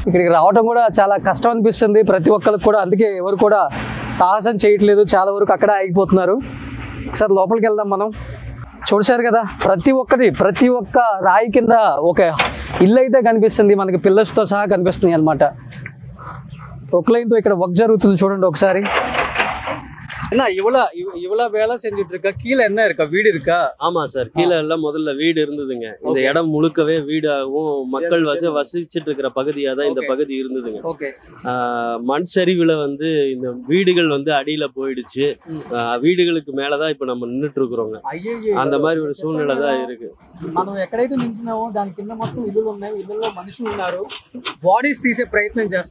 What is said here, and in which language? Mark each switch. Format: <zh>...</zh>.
<te>ఇక్కడికి రావడం కూడా చాలా కష్టం అనిపిస్తుంది ప్రతి ఒక్కరికి కూడా, అందుకే ఎవరు కూడా సాహసం చేయట్లేదు, చాలా వరకు అక్కడ ఆగిపోతున్నారు. ఒకసారి లోపలికి వెళ్దాం. మనం చూడశారు కదా ప్రతి ఒక్కటి, ప్రతి ఒక్క రాయి కింద ఒక ఇల్లు అయితే కనిపిస్తుంది మనకి, పిల్లర్స్తో సహా కనిపిస్తుంది అన్నమాట. ప్రొక్లైన్తో ఇక్కడ వర్క్ జరుగుతుంది చూడండి ఒకసారి.</te> <ta>மக்கள் வசிச்சிட்டு இருக்கிற பகுதியா தான் இந்த பகுதி இருந்ததுங்க. மண் சரிவுல வந்து இந்த வீடுகள் வந்து அடியில போயிடுச்சு. வீடுகளுக்கு மேலதான் இப்ப நம்ம நின்றுட்டு இருக்கிறோங்க. அந்த மாதிரி ஒரு சூழ்நிலை தான் இருக்கு.</ta> <te>మనం ఎక్కడైతే నించినామో దాని కింద మొత్తం ఇల్లులు ఉన్నాయి, ఇల్లుల్లో మనుషులు ఉన్నారు, బాడీస్ తీసే ప్రయత్నం</te>